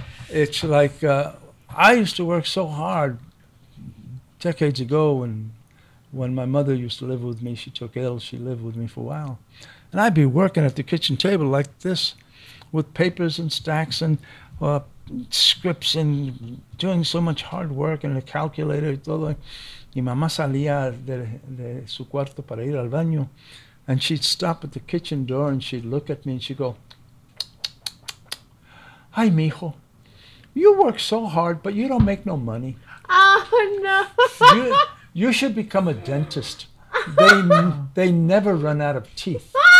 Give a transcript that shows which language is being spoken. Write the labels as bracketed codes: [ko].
[en] It's like I used to work so hard decades ago when my mother used to live with me. She took ill. She lived with me for a while. And I'd be working at the kitchen table like this with papers and stacks and scripts and doing so much hard work and a calculator and todo. [es] Y mamá salía de su cuarto para ir al baño. [en] And she'd stop at the kitchen door and she'd look at me and she'd go, [es] ay, mijo, [en] you work so hard, but you don't make no money. Oh, no. You should become a dentist. They never run out of teeth.